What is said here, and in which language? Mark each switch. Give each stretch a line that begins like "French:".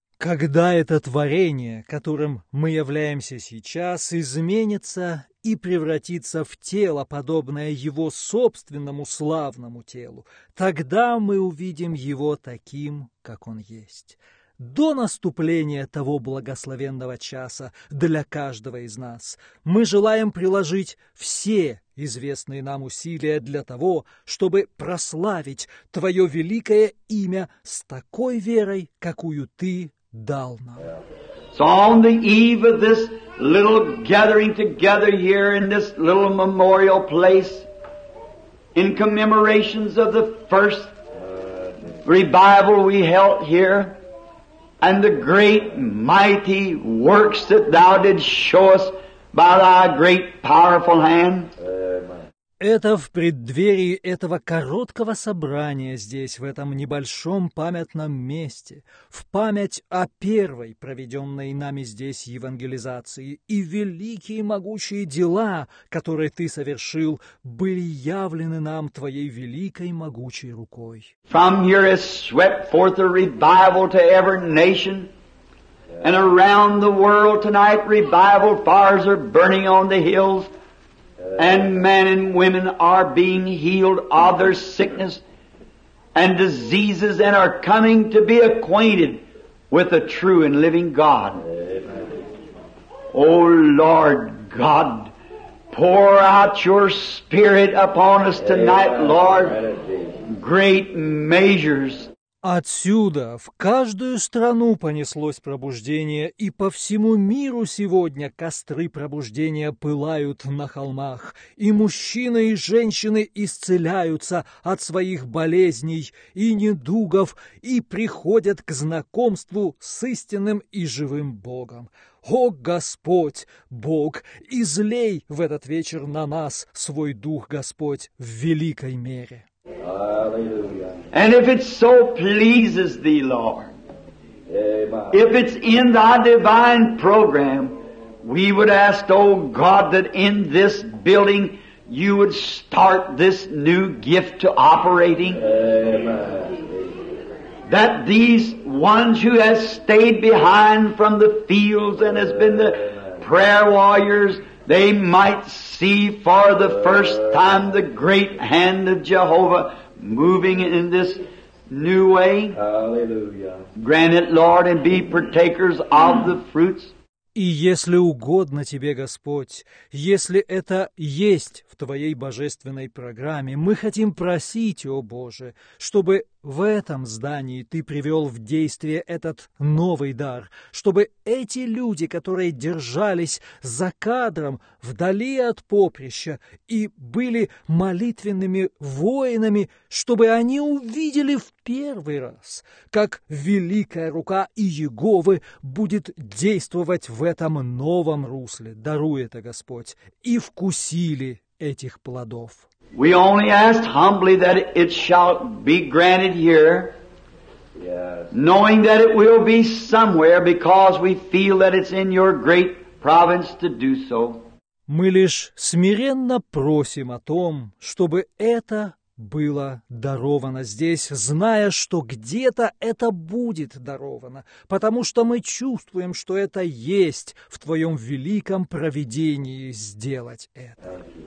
Russian: Когда это творение, которым мы являемся сейчас, изменится и превратиться в тело, подобное Его собственному славному телу, тогда мы увидим Его таким, как Он есть. До наступления того благословенного часа для каждого из нас мы желаем приложить все известные нам усилия для того, чтобы прославить Твое великое имя с такой верой, какую Ты дал нам.
English: So on the eve of this little gathering together here in this little memorial place, in commemorations of the first revival we held here, and the great mighty works that Thou didst show us by Thy great powerful hand.
Russian: Это в преддверии этого короткого собрания здесь, в этом небольшом памятном месте, в память о первой проведенной нами здесь евангелизации, и великие могучие дела, которые Ты совершил, были явлены нам Твоей великой могучей рукой.
English: From here is swept forth a revival to every nation, and around the world tonight revival fires are burning on the hills. And men and women are being healed of their sickness and diseases and are coming to be acquainted with the true and living God. Amen. O Lord God, pour out Your Spirit upon us tonight, Amen. Lord. Great measures.
Russian: Отсюда в каждую страну понеслось пробуждение, и по всему миру сегодня костры пробуждения пылают на холмах, и мужчины и женщины исцеляются от своих болезней и недугов и приходят к знакомству с истинным и живым Богом. О Господь, Бог, излей в этот вечер на нас свой Дух, Господь, в великой мере.
English: And if it so pleases thee, Lord, if it's in thy divine program, we would ask, O God, that in this building you would start this new gift to operating. Amen. That these ones who has stayed behind from the fields and has been the prayer warriors, they might see for the first time the great hand of Jehovah moving in this new way. Hallelujah. Grant it, Lord, and be partakers of the fruits.
Russian: И если угодно Тебе, Господь, если это есть в Твоей божественной программе, мы хотим просить, о Боже, чтобы в этом здании Ты привел в действие этот новый дар, чтобы эти люди, которые держались за кадром вдали от поприща и были молитвенными воинами, чтобы они увидели в первый раз, как великая рука Иеговы будет действовать в этом новом русле, даруй это, Господь, и вкусили этих плодов.
English: We only ask humbly that it shall be granted here, knowing that it will be somewhere, because we feel that it's in your great province to do so.
Russian: Мы лишь смиренно просим о том, чтобы это было даровано здесь, зная, что где-то это будет даровано, потому что мы чувствуем, что это есть в Твоем великом провидении сделать это.